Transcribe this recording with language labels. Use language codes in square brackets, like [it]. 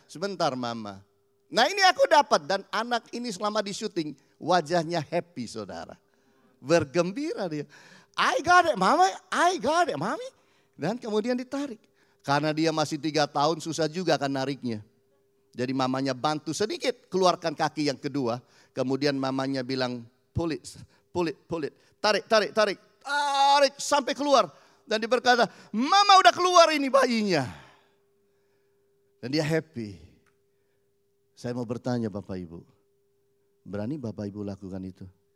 [id] "Sebentar, Mama." "Nah, ini aku dapat." Dan anak ini selama di syuting, wajahnya happy, saudara. Bergembira dia. [en] "I got it, Mama. I got it, Mommy." [id] Dan kemudian ditarik. Karena dia masih 3 tahun, susah juga kan nariknya. Jadi mamanya bantu sedikit, keluarkan kaki yang kedua. Kemudian mamanya bilang, [en] "Pull it, pull it, pull it. [id] Tarik, tarik, tarik. Tarik sampai keluar." Dan dia berkata, "Mama, udah keluar ini bayinya." Dan dia happy. Saya mau bertanya Bapak Ibu, berani Bapak Ibu lakukan itu?